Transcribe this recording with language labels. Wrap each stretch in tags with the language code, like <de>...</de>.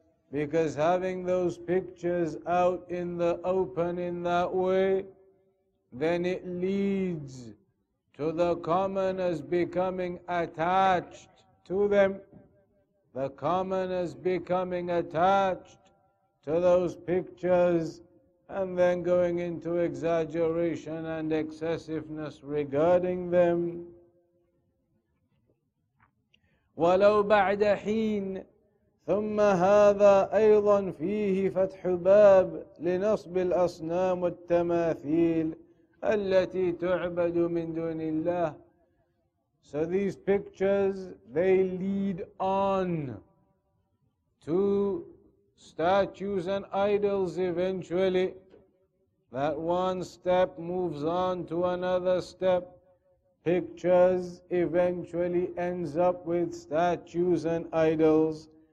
<en>Because having those pictures out in the open in that way, then it leads to the commoners becoming attached to them. The commoners becoming attached to those pictures and then going into exaggeration and excessiveness regarding them.</en> <ar>وَلَوْ بَعْدَ حِينَ ثم هذا أيضا فيه فتح باب لنصب الأصنام والتماثيل التي تعبد من دون الله.</ar> <en>So these pictures, they lead on to statues and idols eventually. That one step moves on to another step. Pictures eventually ends up with statues and idols.</en>